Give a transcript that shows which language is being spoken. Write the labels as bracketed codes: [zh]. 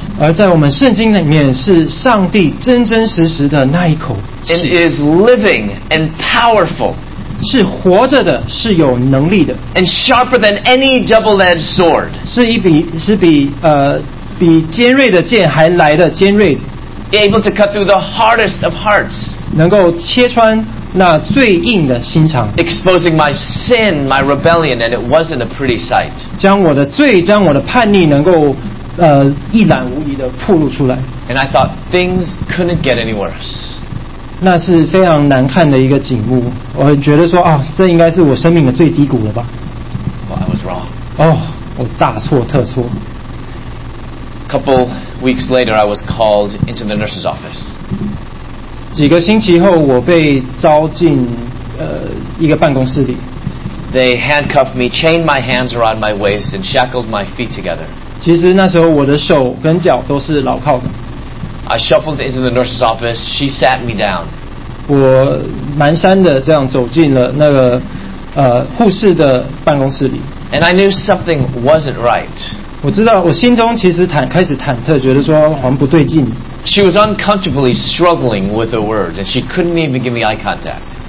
[zh] 而在我们圣经里面是上帝真真实实的那一口气。 [en] It is living and powerful. [zh] 是活着的，是有能力的。 [en] And sharper than any double-edged sword. [zh] 是比尖锐的剑还来的尖锐的。 [en] Able to cut through the hardest of hearts. [zh] 能够切穿那最硬的心肠。 [en] Exposing my sin, my rebellion, and it wasn't a pretty sight. [zh] 将我的罪，将我的叛逆能够一览无遗的暴露出来。 [en] And I thought things couldn't get any worse. [zh] 那是非常难看的一个景物。我觉得说啊，这应该是我生命的最低谷了吧。 [en] Well, I was wrong. [zh] 哦，我大错特错。 [en] Couple weeks later, I was called into the nurse's office. [zh] 几个星期后，我被招进一个办公室里。 [en] They handcuffed me, chained my hands around my waist, and shackled my feet together. [zh] 其实那时候我的手跟脚都是牢靠的。 [en] I shuffled into the nurse's office. She sat me down. [zh] 我蹒跚的这样走进了那个护士的办公室里。 [en] And I knew something wasn't right. [zh] 我知道，我心中其实开始忐忑，觉得说好像不对劲。 [en] She was uncomfortably struggling with her words, and she couldn't even give me eye contact.